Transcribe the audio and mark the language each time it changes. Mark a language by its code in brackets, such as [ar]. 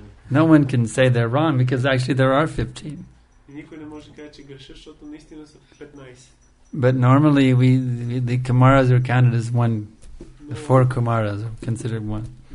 [en] No one can say they're wrong because actually there are 15. [bg] Никой не може да каже, че греша, защото наистина са 15. [en] But normally the Kumaras are counted as one. The four Kumaras are considered one.